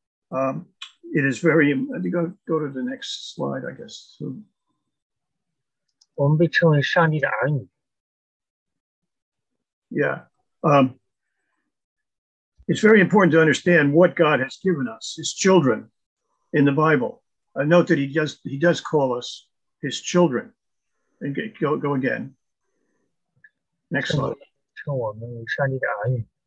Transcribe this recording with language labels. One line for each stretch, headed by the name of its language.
English: It is very, go to the next slide, I guess. So,
Chinese: 我们被称为上帝的儿女。 Yeah.
English: It's very important to understand what God has given us, his children, in the Bible. Note that he does call us his children. And go again. Next slide.
Chinese: 称我们为上帝的儿女。